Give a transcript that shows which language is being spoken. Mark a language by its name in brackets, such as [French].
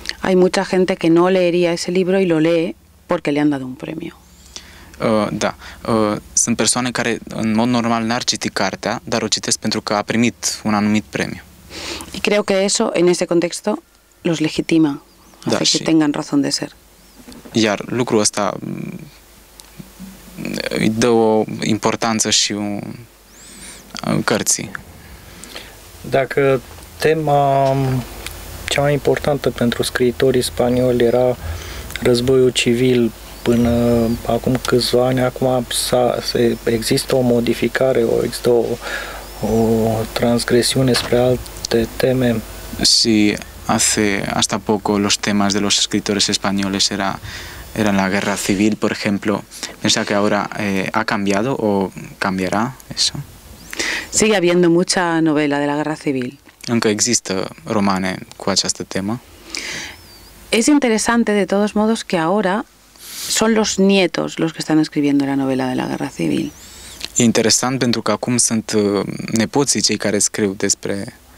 [Spanish] Hay mucha gente que no leería ese libro y lo lee porque le han dado un premio. [Romanian] Da. Sunt persoane care în mod normal n-ar citi cartea, dar o citesc pentru că a primit un anumit premiu. [Spanish] Y creo que eso en ese contexto los legitima. Da, hace que tengan razón de ser. [Romanian] Iar lucrul ăsta îi dă o importanță și în cărții. Dacă tema cea mai importantă pentru scriitorii spanioli era războiul civil până acum câțiva ani, acum există o modificare, există o transgresiune spre alte teme. [Spanish] Sí. Hasta poco los temas de los escritores españoles eran la guerra civil, por ejemplo. ¿Piensa que ahora ha cambiado o cambiará eso? Sigue habiendo mucha novela de la guerra civil. Aunque existe [Romanian] romane cu această temă. [Spanish] Es interesante de todos modos que ahora son los nietos los que están escribiendo la novela de la guerra civil. [Romanian] E interesant pentru că acum sunt nepoții cei care scriu despre